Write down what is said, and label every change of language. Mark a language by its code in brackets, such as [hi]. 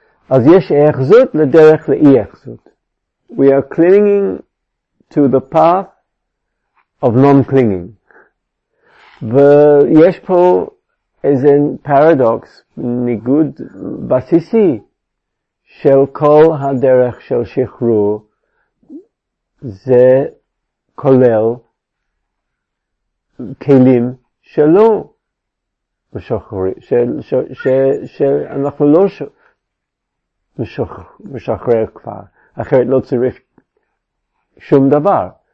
[he] אז יש היאחזות לדרך לאי-היאחזות. [en] We are clinging to the path of non-clinging. [he] ויש פה איזה פרדוקס, ניגוד בסיסי, של כל הדרך של שחרור, זה כולל כלים שלא משוחררים, שאנחנו לא משחרר כבר, אחרת לא צריך שום דבר.